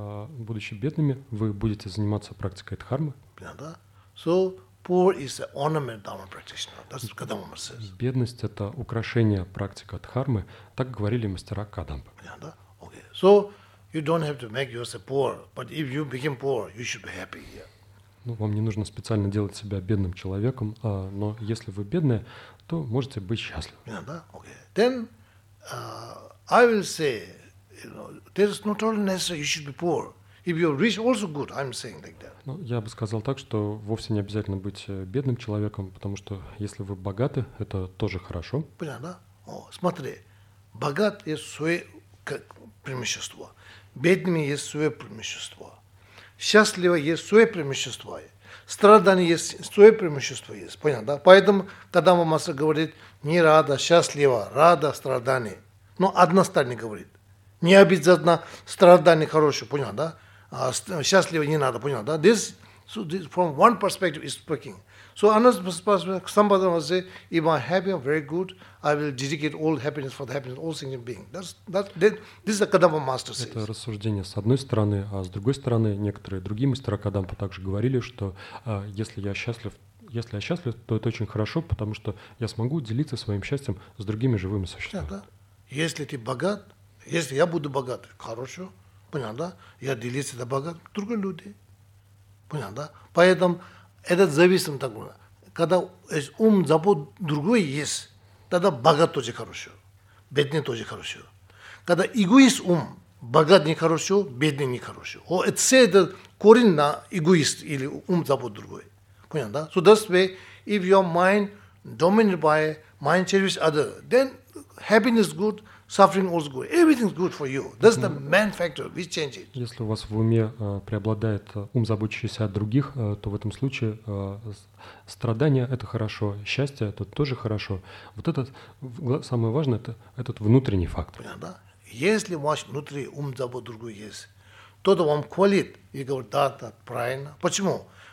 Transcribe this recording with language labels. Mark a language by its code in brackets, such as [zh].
[ru] Будучи бедными, вы будете заниматься практикой дхармы. Правильно. [en] So, poor is the ornament dharma practitioner. That's what Kadampa Master says. [ru] Бедность – это украшение практика дхармы. Так говорили мастера Кадампа. Да? [en] Okay. So, you don't have to make yourself poor, but if you become poor, you should be happy here. [ru] Ну, вам не нужно специально делать себя бедным человеком, но если вы бедные, то можете быть счастливы. Да? [en] Okay. Then, I will say, there is not only necessary you should be poor. If you're rich, also good. I'm saying like that. [ru] Ну, я бы сказал так, что вовсе не обязательно быть бедным человеком, потому что если вы богаты, это тоже хорошо. Понятно, да? О, смотри, богат есть свое преимущество, бедный есть свое преимущество, счастливый есть свое преимущество, страдание есть свое преимущество есть. Понятно, да? Поэтому когда мастер говорит, не рада, счастлива, рада, страдание. Но одна сторона говорит, не обязательно страдание хорошее. Понятно, да? Счастливо не надо, понял, да? [en] This from one perspective is speaking. So another perspective, somebody will say, if I'm happy, I'm very good, I will dedicate all happiness for the happiness of all sentient beings. This is the Kadampa Master says. [ru] Это рассуждение с одной стороны, а с другой стороны, некоторые другие мастера Кадампа также говорили, что если я счастлив, то это очень хорошо, потому что я смогу делиться своим счастьем с другими живыми существами. Да, да. Если ты богат, если я буду богат, хорошо. Понятно, да? Я делюсь это богатым другим людям. Понятно, да? Поэтому это зависит от того, когда ум, забот другой есть, тогда богат тоже хорошо, бедный тоже хорошо. Когда эгоист ум, богат нехорошо, бедный нехорошо. О, это все это корень на эгоист или ум, забот другой. Понятно, да? [en] So that's why if your mind dominated by mind cherishes other, then happiness good. Suffering also good. Everything's good for you. That's the main factor. We change it. [ru] Если у вас в уме преобладает ум, заботящийся о других, то в этом случае страдание – это хорошо, счастье – это тоже хорошо. Вот это самое важное – это этот внутренний фактор. Понятно, да? Если ваш внутренний ум, забот другой есть, то вам хвалит и говорит, да, это правильно. Почему?